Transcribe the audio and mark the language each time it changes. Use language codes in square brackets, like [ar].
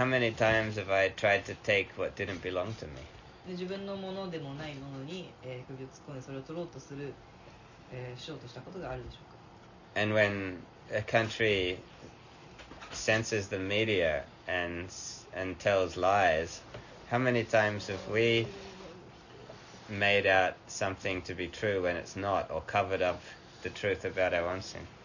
[en] How many times have I tried to take what didn't belong to me? [ja] で、自分のものでもないものに、首を突っ込んでそれを取ろうとする、しようとしたことがあるでしょうか。 [en] And when a country censors the media and tells lies, how many times have we made out something to be true when it's not, or covered up the truth about our own sin?